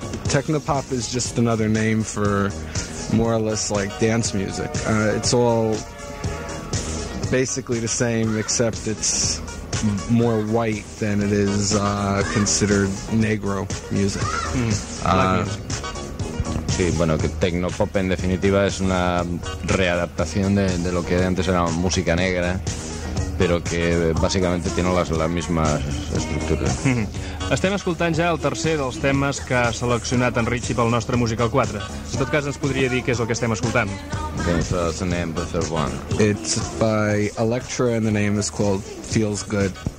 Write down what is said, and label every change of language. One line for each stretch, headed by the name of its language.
English: Technopop is just another name for more or less like dance music. It's all basically the same, except it's more white than it is considered negro music.
Spanish: Sí, bueno, que Technopop en definitiva es una readaptación de lo que antes era música negra.
Catalan: però que bàsicament tenen la misma estructura. Estem escoltant ja el tercer dels temes que ha seleccionat en Richie pel nostre Musical 4. En tot cas, ens podria dir què és el que estem escoltant.
English: Okay, so that's the name of the third one. It's by Electra and the name is called Feels Good.